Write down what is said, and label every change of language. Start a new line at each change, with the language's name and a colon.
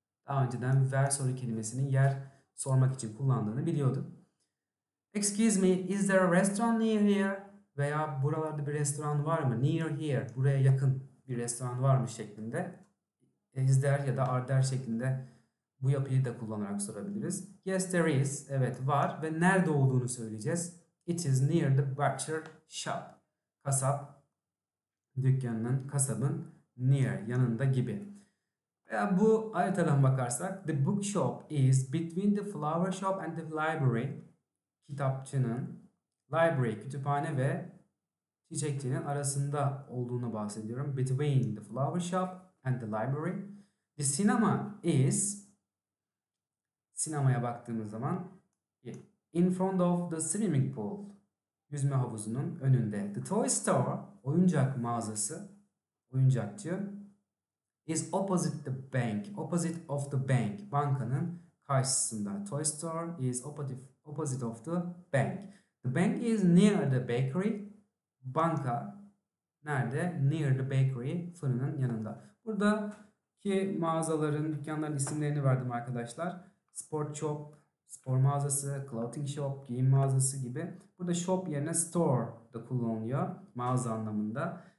Turkish: Daha önceden where soru kelimesinin yer sormak için kullandığını biliyordum.
English: Excuse me, is there a restaurant near here?
Turkish: Veya buralarda bir restoran var mı?
English: Near here,
Turkish: buraya yakın bir restoran var mı şeklinde.
English: Is there
Turkish: ya da
English: are there
Turkish: şeklinde bu yapıyı da kullanarak sorabiliriz.
English: Yes, there is.
Turkish: Evet, var. Ve nerede olduğunu söyleyeceğiz.
English: It is near the butcher shop.
Turkish: Kasap, dükkanının, kasabın near, yanında gibi. Veya bu haritadan bakarsak,
English: the bookshop is between the flower shop and the library.
Turkish: Kitapçının, library, kütüphane ve çiçekçinin arasında olduğunu bahsediyorum.
English: Between the flower shop and the library. The cinema is,
Turkish: sinemaya baktığımız zaman,
English: in front of the swimming pool,
Turkish: yüzme havuzunun önünde.
English: The toy store,
Turkish: oyuncak mağazası, oyuncakçı,
English: is opposite the bank, opposite of the bank,
Turkish: bankanın karşısında.
English: Toy store is opposite of the bank. The bank is near the bakery.
Turkish: Banka nerede?
English: Near the bakery,
Turkish: fırının yanında. Buradaki mağazaların, dükkanların isimlerini verdim arkadaşlar. Sport shop, spor mağazası, clothing shop, giyim mağazası gibi. Burada shop yerine store da kullanılıyor mağaza anlamında.